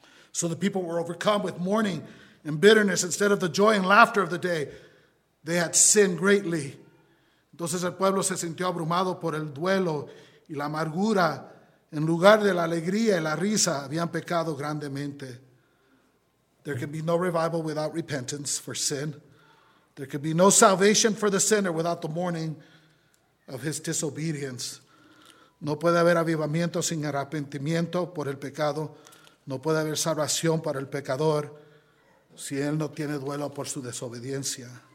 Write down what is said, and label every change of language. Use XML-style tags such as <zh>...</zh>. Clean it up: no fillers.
<en>So the people were overcome with mourning and bitterness instead of the joy and laughter of the day. They had sinned greatly.</en> <es>Entonces el pueblo se sintió abrumado por el duelo y la amargura. En lugar de la alegría y la risa, habían pecado grandemente.</es> <en>There can be no revival without repentance for sin. There can be no salvation for the sinner without the mourning of his disobedience.</en> <es>No puede haber avivamiento sin arrepentimiento por el pecado. No puede haber salvación para el pecador si él no tiene duelo por su desobediencia.</es>